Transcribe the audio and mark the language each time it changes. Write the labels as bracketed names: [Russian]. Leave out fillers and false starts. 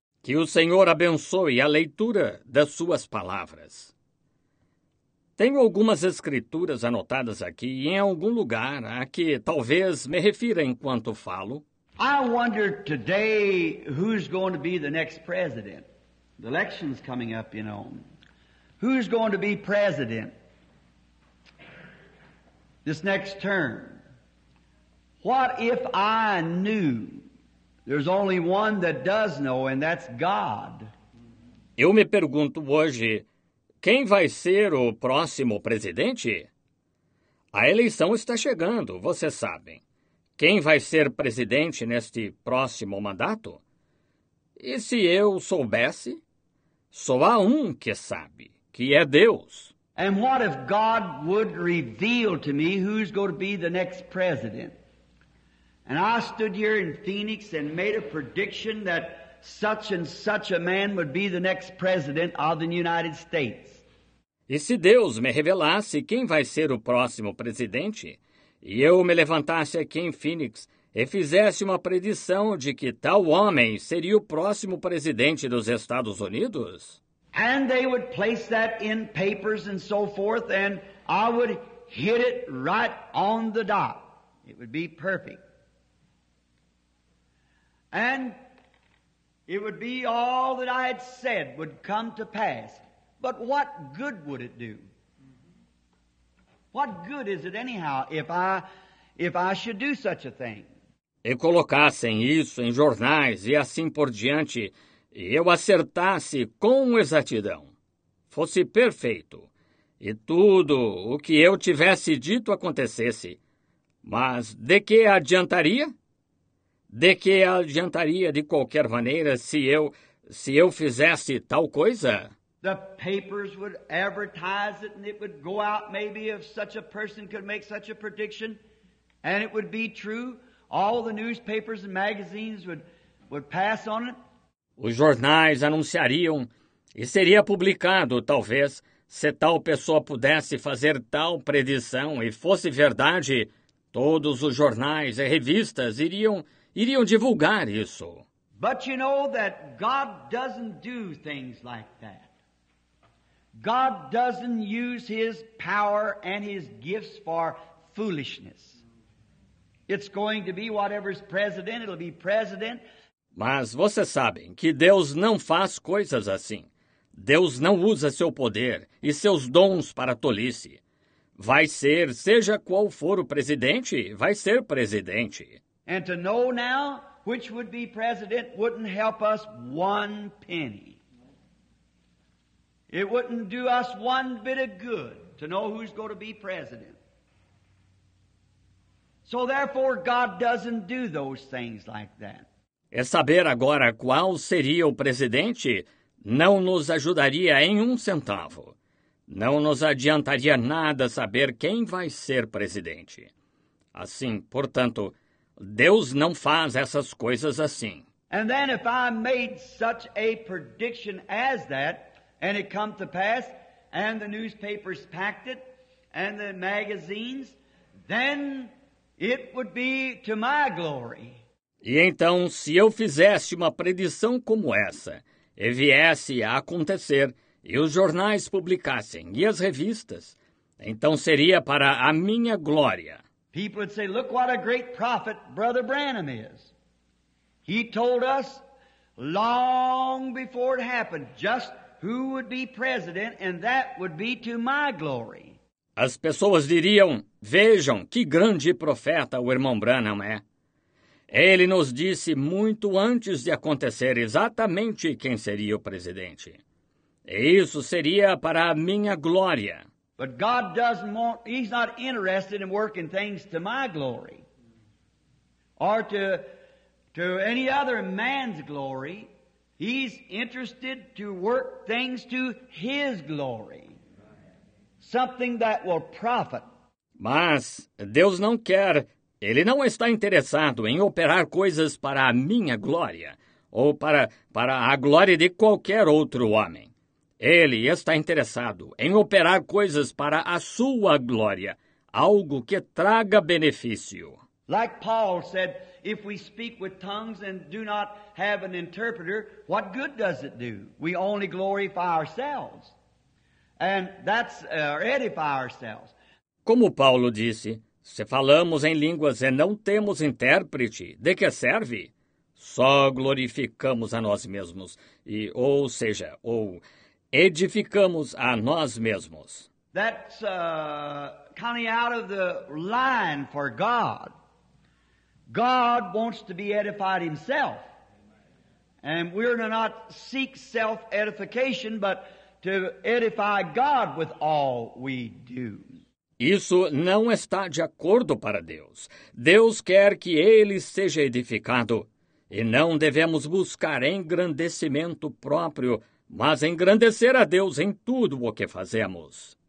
[Portuguese] Que o Senhor abençoe a leitura das suas palavras. Tenho algumas escrituras anotadas aqui em algum lugar a que talvez me refira enquanto falo. [English] I wonder today who's going to be the next president. The election's coming up, you know. Who's going to be president this next term? What if I knew? There's only one that does know, and that's God. [Portuguese] Eu me pergunto hoje, quem vai ser o próximo presidente? A eleição está chegando, vocês sabem. Quem vai ser presidente neste próximo mandato? E se eu soubesse? Só há um que sabe, que é Deus. [English] And what if God would reveal to me who's going to be the next president? And I stood here in Phoenix and made a prediction that such and such a man would be the next president of the United States. [Portuguese] E se Deus me revelasse quem vai ser o próximo presidente, e eu me levantasse aqui em Phoenix e fizesse uma predição de que tal homem seria o próximo presidente dos Estados Unidos? [English] And they would place that in papers and so forth, and I would hit it right on the dot. It would be perfect. And it would be all that I had said would come to pass. But what good would it do? What good is it anyhow if I should do such a thing? [Portuguese] E colocassem isso em jornais e assim por diante, e eu acertasse com exatidão, fosse perfeito, e tudo o que eu tivesse dito acontecesse. Mas de que adiantaria? De que adiantaria de qualquer maneira se eu fizesse tal coisa? [English] The papers would advertise it, and it would go out maybe if such a person could make such a prediction, and it would be true. All the newspapers and magazines would pass on it. [Portuguese] Os jornais anunciariam, e seria publicado, talvez, se tal pessoa pudesse fazer tal predição e fosse verdade, todos os jornais e revistas iriam divulgar isso. [English] But you know that God doesn't do things like that. God doesn't use his power and his gifts for foolishness. It's going to be whatever's president, it'll be president. [Portuguese] Mas vocês sabem que Deus não faz coisas assim. Deus não usa seu poder e seus dons para tolice. Vai ser, seja qual for o presidente, vai ser presidente. [English] And to know now which would be president wouldn't help us one penny. It wouldn't do us one bit of good to know who's going to be president. So therefore, God doesn't do those things like that. [Portuguese] É saber agora qual seria o presidente não nos ajudaria em um centavo. Não nos adiantaria nada saber quem vai ser presidente. Assim, portanto, Deus não faz essas coisas assim. [English] And then if I made such a prediction as that, and it come to pass, and the newspapers packed it, and the magazines, then it would be to my glory. [Portuguese] E então, se eu fizesse uma predição como essa, e viesse a acontecer, e os jornais publicassem, e as revistas, então seria para a minha glória. [English] People would say, look what a great prophet Brother Branham is. He told us long before it happened just who would be president, and that would be to my glory. [Portuguese] As pessoas diriam, vejam que grande profeta o irmão Branham é. Ele nos disse muito antes de acontecer exatamente quem seria o presidente. E isso seria para a minha glória. [English] But God doesn't want, he's not interested in working things to my glory. Or to any other man's glory, he's interested to work things to his glory. Something that will profit. [Portuguese] Mas Deus não quer, ele não está interessado em operar coisas para a minha glória ou para a glória de qualquer outro homem. Ele está interessado em operar coisas para a sua glória, algo que traga benefício. [English] Like Paul said, if we speak with tongues and do not have an interpreter, what good does it do? We only glorify ourselves. And that's edify ourselves. [Portuguese] Como Paulo disse, se falamos em línguas e não temos intérprete, de que serve? Só glorificamos a nós mesmos, ou edificamos a nós mesmos. [English] That's kind of out of the line for God. God wants to be edified himself. And we're to not seek self-edification, but to edify God with all we do. [Portuguese] Isso não está de acordo para Deus. Deus quer que ele seja edificado. E não devemos buscar engrandecimento próprio, mas engrandecer a Deus em tudo o que fazemos.